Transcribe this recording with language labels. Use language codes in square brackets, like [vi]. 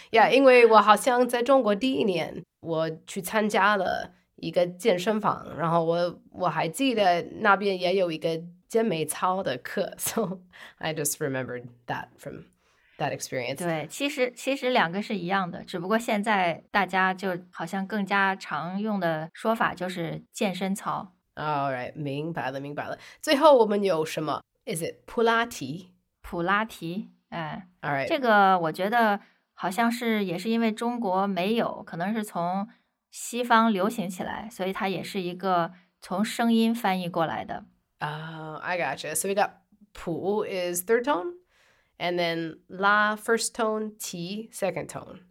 [zh] Yeah, 因为我好像在中国第一年，我去参加了一个健身房，然后我还记得那边也有一个。健美操的课 [en] so I just remembered that from that experience. [zh] 对，其实两个是一样的，只不过现在大家就好像更加常用的说法就是健身操。 [en] All right, [zh] 明白了。最后我们有什么 ？ [en] Is it [zh] 普拉提？普拉提，哎 [en] ，All right， [zh] 这个我觉得好像是也是因为中国没有，可能是从西方流行起来，所以它也是一个从声音翻译过来的。 [en] I gotcha. So we got 普 is third tone, and then 拉 first tone, 提 second tone.